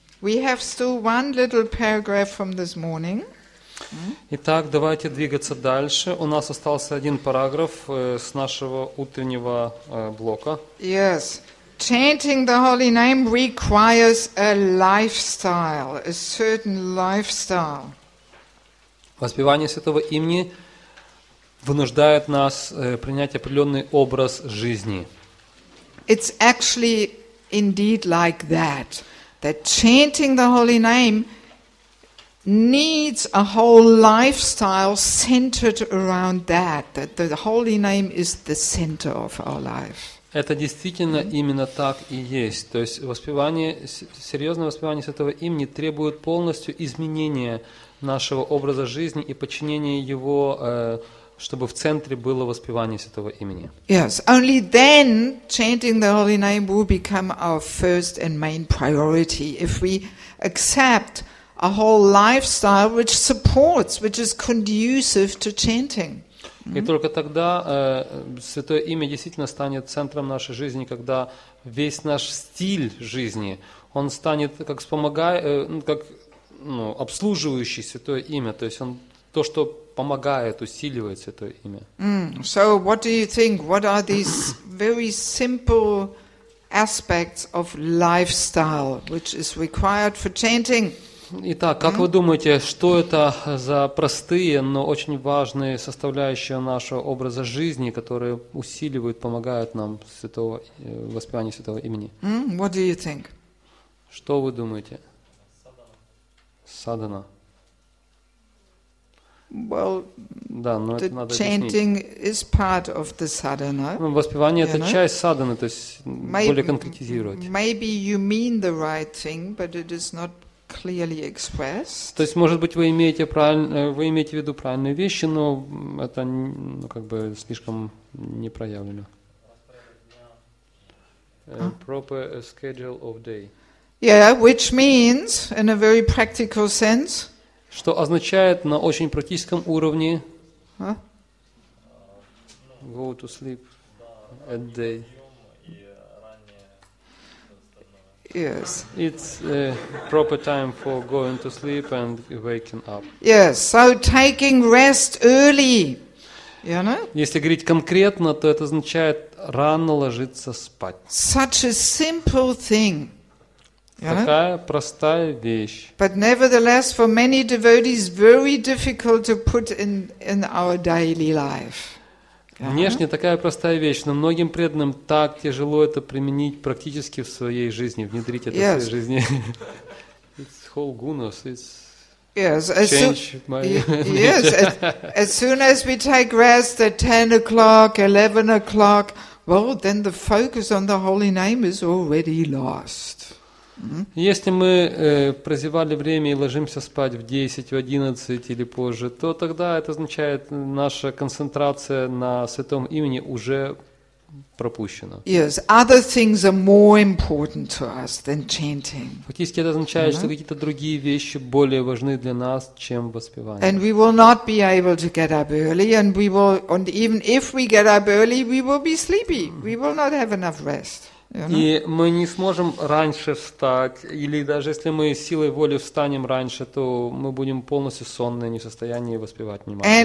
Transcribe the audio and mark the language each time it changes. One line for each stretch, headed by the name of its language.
English: We have still one little paragraph from this morning.
Russian: Итак, давайте двигаться дальше. У нас остался один параграф с нашего утреннего блока.
English: Yes. Chanting the holy name requires a lifestyle, a certain lifestyle.
Russian: Воспевание святого имени вынуждает нас принять определенный образ жизни.
English: It's actually indeed like that. That chanting the holy name needs a whole lifestyle centered around that. That the holy name is the center of our life.
Russian: Это действительно именно так и есть. То есть воспевание, серьезное воспевание святого имени требует полностью изменения нашего образа жизни и подчинения его, чтобы в центре было воспевание святого имени.
English: Yes, only then chanting the holy name will become our first and main priority if we accept a whole lifestyle which supports, which is conducive to chanting.
Russian: И только тогда святое имя действительно станет центром нашей жизни, когда весь наш стиль жизни, он станет как обслуживающий святое имя, то есть он то, что помогает, усиливает святое имя.
English: So what do you think? What are these very simple aspects of lifestyle which is required for chanting?
Russian: Итак, как вы думаете, что это за простые, но очень важные составляющие нашего образа жизни, которые усиливают, помогают нам воспевание святого имени?
English: What do you think?
Russian: Что вы думаете? Садхана.
English: Well,
Russian: да, но это надо
English: chanting is part of the sadhana.
Russian: Ну, воспевание это часть садханы, то есть более конкретизировать.
English: Maybe you mean the right thing, but it is not clearly expressed.
Russian: То есть, может быть, вы имеете в виду правильные вещи, но это слишком не проявлено.
English: Proper schedule of day. Yeah, which means in a very practical sense.
Russian: Что означает на очень практическом уровне?
English: Go to sleep at day. Yes. It's proper time for going to sleep and waking up. Yes. So taking rest early. You know?
Russian: Если говорить конкретно, то это означает рано ложиться спать.
English: Such a simple thing.
Russian: Такая простая вещь.
English: But nevertheless, for many devotees, very difficult to put in our daily life.
Russian: Внешне такая простая вещь, но многим преданным так тяжело это применить практически в своей жизни, внедрить это в своей жизни.
English: It's whole gunas, it's As soon as we take rest at 10 o'clock, 11 o'clock, well, then the focus on the holy name is already lost.
Russian: Если мы прозевали время и ложимся спать в 10, в 11 или позже, то тогда это означает, наша концентрация на Святом Имени уже пропущена.
English: Yes, other things are more important to us than chanting.
Russian: Фактически это означает, что какие-то другие вещи более важны для нас, чем воспевание.
English: And we will not be able to get up early, and we will, and even if we get up early, we will be sleepy. We will not have enough rest.
Russian: И мы не сможем раньше встать, или даже если мы силой воли встанем раньше, то мы будем полностью сонны, не в состоянии воспевать внимание.